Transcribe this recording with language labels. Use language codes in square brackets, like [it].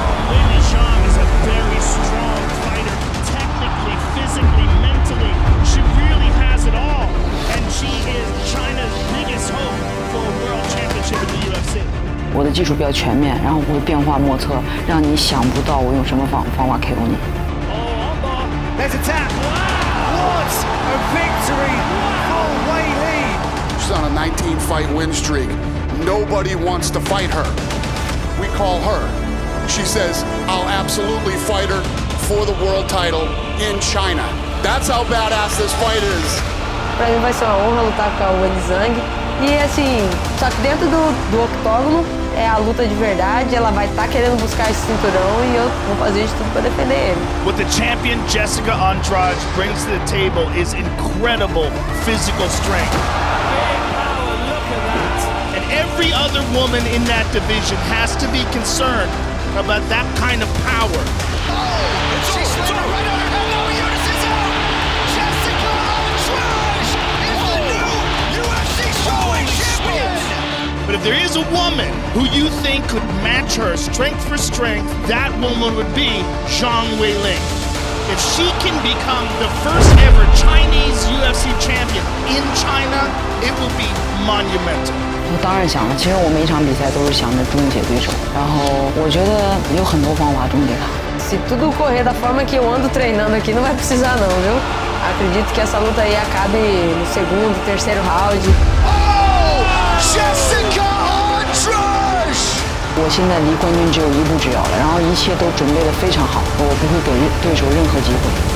[en] Wei Li Chang is a very strong fighter, technically, physically, mentally. She really has it all, and she is China's biggest hope for a world championship in the UFC. [zh] 我的技术比较全面，然后会变化莫测，让你想不到我用什么方法 KO 你。 [en] She's on a 19 fight win streak. Nobody wants to fight her. We call her. She says, "I'll absolutely fight her for the world title in China." That's how badass this fight is. [pt] Para mim vai ser uma honra lutar com a Wen Zhang. E assim, só que dentro do octógono. É a luta de verdade, ela vai estar querendo buscar esse cinturão e eu vou fazer de tudo para defender ele. [en] What the champion Jessica Andrade brings to the table is incredible physical strength. Look at that. And every other woman in that division has to be concerned about that kind of power. Oh, and she slid her right on her head. Now Yunus is out. Jessica Andrade is the new UFC showing champion. But if there is a woman who you think could match her strength for strength, that woman would be Zhang Weiling. If she can become the first ever Chinese UFC champion in China, it will be monumental. [zh] 我当然想了，其实我每一场比赛都是想着终结对手，然后我觉得有很多方法终结他。 [pt] Se tudo correr da forma que eu ando treinando aqui, não vai precisar não, viu? Acredito que essa luta aí acabe no segundo, terceiro round. [en] Jessica Andrade! [zh] 我现在离冠军只有一步之遥了，然后一切都准备得非常好，我不会给对手任何机会。